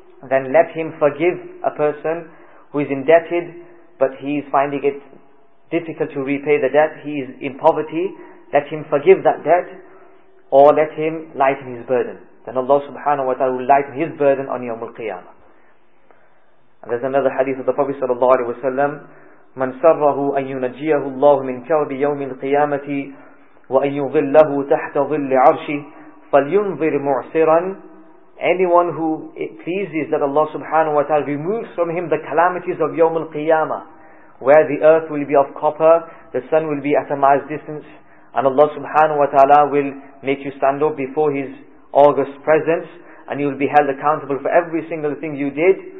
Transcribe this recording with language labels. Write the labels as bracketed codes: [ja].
[en] Then let him forgive a person who is indebted, but he is finding it difficult to repay the debt. He is in poverty. Let him forgive that debt, or let him lighten his burden. Then Allah subhanahu wa ta'ala will lighten his burden on Yawm al-Qiyamah. And there's another hadith of the Prophet sallallahu alayhi wa sallam, [ar] من سره أن ينجيه الله من كرب يوم القيامة وأن يظله تحت ظل عرشه فلينظر معسرا. [en] Anyone who it pleases that Allah subhanahu wa ta'ala removes from him the calamities of Yawm al-Qiyamah, where the earth will be of copper, the sun will be at a mile's distance, and Allah subhanahu wa ta'ala will make you stand up before His august presence, and you will be held accountable for every single thing you did.